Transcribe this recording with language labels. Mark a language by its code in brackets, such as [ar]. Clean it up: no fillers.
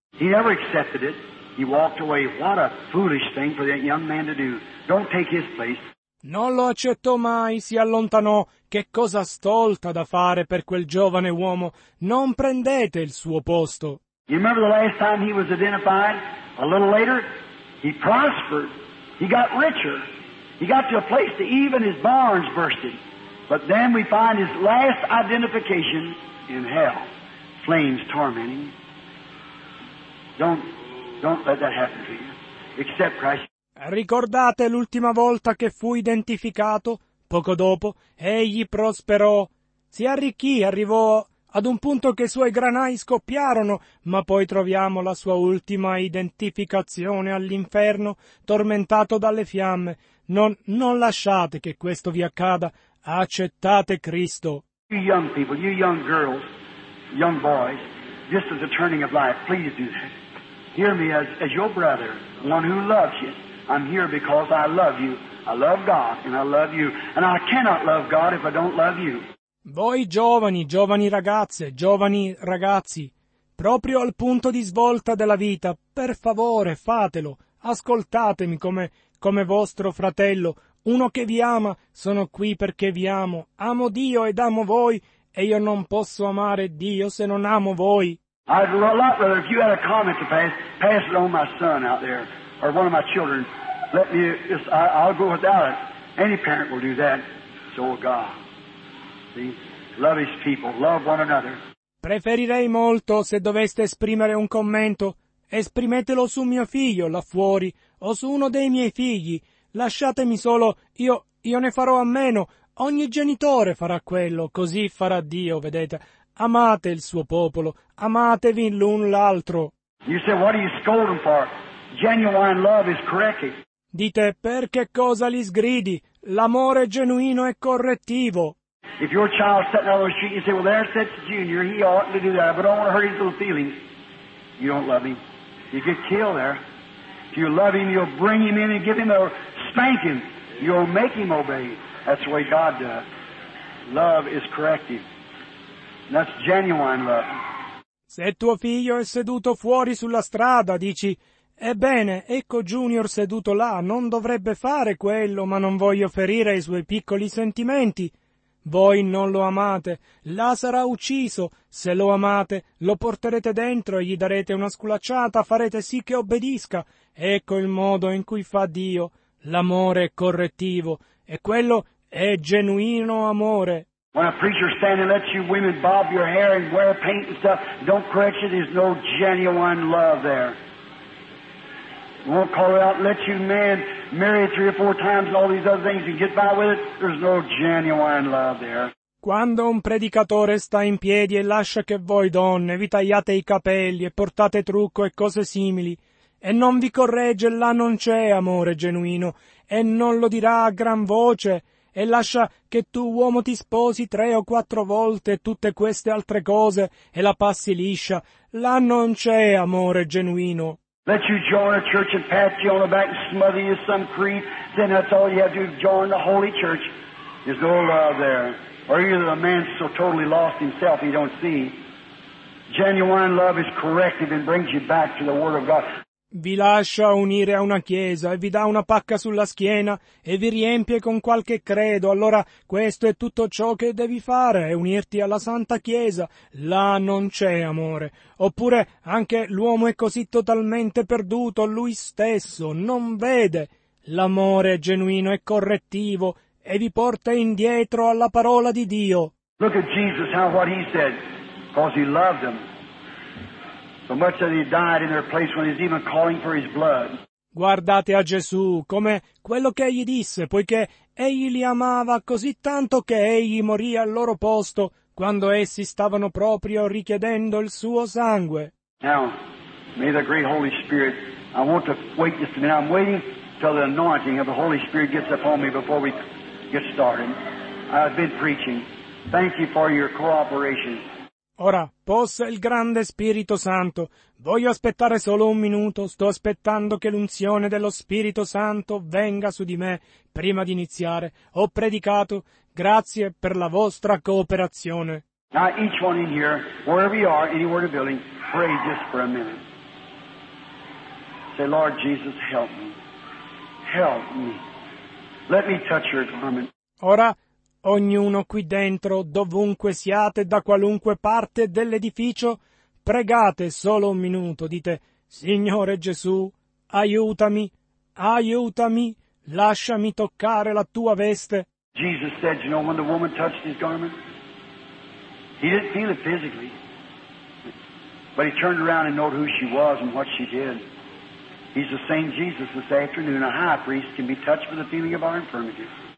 [en] He never accepted it. He walked away. What a foolish thing for that young man to do. Don't take his place. [it] Non lo accettò mai, si allontanò. Che cosa stolta da fare per quel giovane uomo. Non prendete il suo posto. [en] You remember the last time he was identified? A little later, he prospered. He got richer. He got to a place to even his barns bursted. But then we find his last identification in hell. Flames tormenting. Don't let that happen to you. Except Christ. [it] Ricordate l'ultima volta che fu identificato? Poco dopo, egli prosperò, si arricchì, arrivò ad un punto che i suoi granai scoppiarono, ma poi troviamo la sua ultima identificazione all'inferno, tormentato dalle fiamme. Non lasciate che questo vi accada, accettate Cristo. [en] You young people, you young girls, young boys, this is the turning of life, please do that. Hear me as your brother, one who loves you. I'm here because I love you. I love God and I love you. And I cannot love God if I don't love you. [it] Voi giovani, giovani ragazze, giovani ragazzi, proprio al punto di svolta della vita, per favore fatelo, ascoltatemi come vostro fratello, uno che vi ama, sono qui perché vi amo, amo Dio ed amo voi, e io non posso amare Dio se non amo voi. [en] I'd love, brother, if you had a comment to pass it on my son out there, or one of my children, let me, I'll go without it. Any parent will do that, so will God. Love his people, love one another. [it] Preferirei molto se doveste esprimere un commento. Esprimetelo su mio figlio là fuori o su uno dei miei figli. Lasciatemi solo, io ne farò a meno. Ogni genitore farà quello, così farà Dio, vedete. Amate il suo popolo, amatevi l'un l'altro. [en] You say, what are you scolding for? Genuine love is correcting. [it] Dite, per che cosa li sgridi? L'amore genuino è correttivo. [en] If your child sitting on the street, you say, well, there sits Junior, he oughtn't to do that, but I don't want to hurt his little feelings. You don't love him. You get killed there. If you love him, you'll bring him in and give him a spanking. You'll make him obey. That's the way God does. Love is corrective. And that's genuine love. [it] Se tuo figlio è seduto fuori sulla strada, dici, ebbene, ecco Junior seduto là, non dovrebbe fare quello, ma non voglio ferire i suoi piccoli sentimenti. Voi non lo amate, là sarà ucciso, se lo amate, lo porterete dentro e gli darete una sculacciata, farete sì che obbedisca. Ecco il modo in cui fa Dio, l'amore è correttivo, e quello è genuino amore. [en] When a preacher stands and lets you women bob your hair and wear paint and stuff, don't correct you, there's no genuine love there. Won't call it out, let you men marry three or four times and all these other things and get by with it. There's no genuine love there. [it] Quando un predicatore sta in piedi e lascia che voi donne vi tagliate i capelli e portate trucco e cose simili e non vi corregge, là non c'è amore genuino e non lo dirà a gran voce e lascia che tu uomo ti sposi tre o quattro volte tutte queste altre cose e la passi liscia, là non c'è amore genuino. [en] Let you join a church and pat you on the back and smother you some creed, then that's all you have to do, join the holy church. There's no love there. Or either the man's so totally lost himself he don't see. Genuine love is corrective and brings you back to the Word of God. [it] Vi lascia unire a una chiesa e vi dà una pacca sulla schiena e vi riempie con qualche credo, allora questo è tutto ciò che devi fare, è unirti alla Santa Chiesa. Là non c'è amore. Oppure anche l'uomo è così totalmente perduto, lui stesso non vede. L'amore è genuino e correttivo e vi porta indietro alla parola di Dio. [en] Look at Jesus, how what he said, because he loved them. So much that he died in their place when he's even calling for his blood. [it] Guardate a Gesù come quello che egli disse, poiché egli li amava così tanto che egli morì al loro posto quando essi stavano proprio richiedendo il suo sangue. [en] Now, may the great Holy Spirit, I want to wait just a minute. I'm waiting till the anointing of the Holy Spirit gets upon me before we get started. I've been preaching. Thank you for your cooperation. [it] Ora, possa il grande Spirito Santo, voglio aspettare solo un minuto, sto aspettando che l'unzione dello Spirito Santo venga su di me prima di iniziare. Ho predicato, grazie per la vostra cooperazione. [en] Now each one in here, wherever you are, anywhere in the building, pray just for a minute. Say, Lord Jesus, help me. Help me. Let me touch your garment. [it] Ora, ognuno qui dentro, dovunque siate, da qualunque parte dell'edificio, pregate solo un minuto, dite, Signore Gesù, aiutami, aiutami, lasciami toccare la tua veste. [en] Jesus said, you know, when the woman touched his garment, he didn't feel it physically, but he turned around and noted who she was and what she did. He's the same Jesus this afternoon, a high priest can be touched with the feeling of our infirmities.